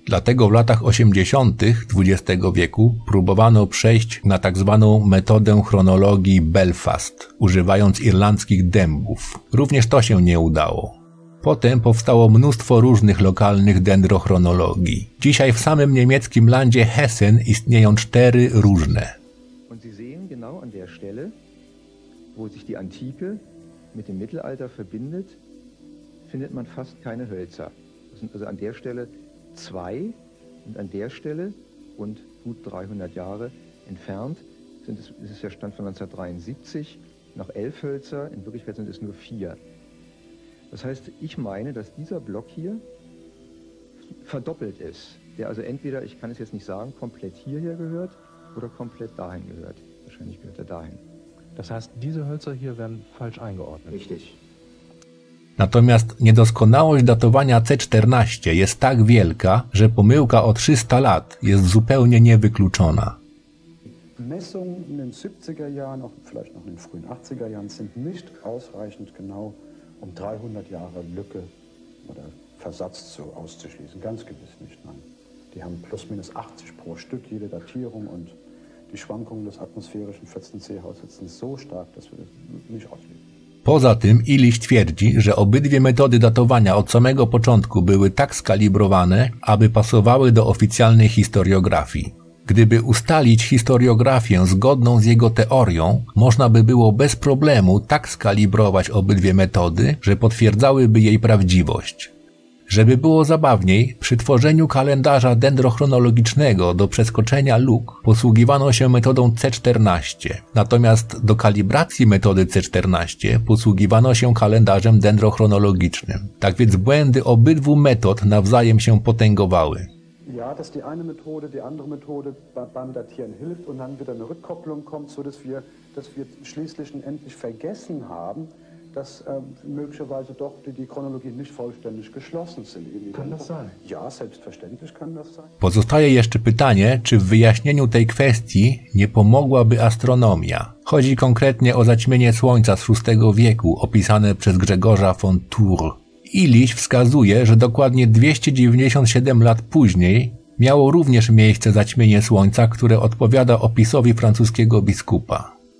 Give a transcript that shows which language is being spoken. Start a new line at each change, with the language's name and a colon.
Polish: Dlatego w latach 80. XX wieku próbowano przejść na tzw. metodę chronologii Belfast, używając irlandzkich dębów. Również to się nie udało. Potem powstało mnóstwo różnych lokalnych dendrochronologii. Dzisiaj w samym niemieckim landzie Hessen istnieją cztery różne.
German: Und Sie sehen genau an der Stelle, wo sich die Antike mit dem Mittelalter verbindet, findet man fast keine Hölzer. Das sind also an der Stelle zwei und an der Stelle rund gut 300 Jahre entfernt, ist es der Stand von 1973, noch 11 Hölzer, in Wirklichkeit sind es nur 4. Das heißt, ich meine, dass dieser Block hier verdoppelt ist. Der also entweder, ich kann es jetzt nicht sagen, komplett hierher gehört oder komplett dahin gehört. Wahrscheinlich gehört er dahin. Das heißt, diese Hölzer hier werden falsch eingeordnet. Richtig.
Polish: Natomiast niedoskonałość datowania C14 jest tak wielka, że pomyłka o 300 lat jest zupełnie niewykluczona.
German: Messungen in den 70er Jahren, auch vielleicht noch in den frühen 80er Jahren, sind nicht ausreichend genau, um 300 Jahre Lücke oder Versatz zu auszuschließen. Ganz gewiss nicht, nein. Die haben plus minus 80 pro Stück jede Datierung und die Schwankungen des atmosphärischen 14C Hauses sind so stark, dass wir das nicht ausschließen.
Polish: Poza tym Illich twierdzi, że obydwie metody datowania od samego początku były tak skalibrowane, aby pasowały do oficjalnej historiografii. Gdyby ustalić historiografię zgodną z jego teorią, można by było bez problemu tak skalibrować obydwie metody, że potwierdzałyby jej prawdziwość. Żeby było zabawniej, przy tworzeniu kalendarza dendrochronologicznego do przeskoczenia luk posługiwano się metodą C14, natomiast do kalibracji metody C14 posługiwano się kalendarzem dendrochronologicznym. Tak więc błędy obydwu metod nawzajem się potęgowały.
German: Ja, dass die eine Methode, die andere Methode beim Datieren hilft und dann wieder eine Rückkopplung kommt, so dass wir schließlich endlich vergessen haben, dass möglicherweise doch die Chronologie nicht vollständig geschlossen sind. Kann das sein? Ja, selbstverständlich kann das sein.
Polish: Pozostaje jeszcze pytanie, czy w wyjaśnieniu tej kwestii nie pomogłaby astronomia? Chodzi konkretnie o zaćmienie Słońca z VI wieku, opisane przez Grzegorza von Tours. Illich wskazuje, że dokładnie 297 lat później miało również miejsce zaćmienie Słońca, które odpowiada opisowi francuskiego biskupa.